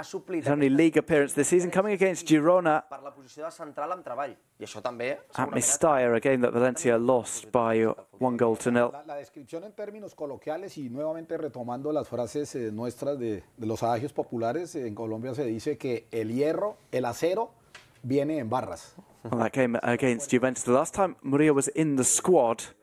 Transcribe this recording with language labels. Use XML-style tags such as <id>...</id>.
<en>His only league appearance this season coming against Girona at Mestalla, a game that Valencia lost by 1-0.</en> <es>La descripción en términos coloquiales y nuevamente retomando las frases nuestras de los adagios populares, en Colombia se dice que el hierro, el acero, viene en barras.</es> <en>Well, that came against Juventus. The last time Murillo was in the squad.</en>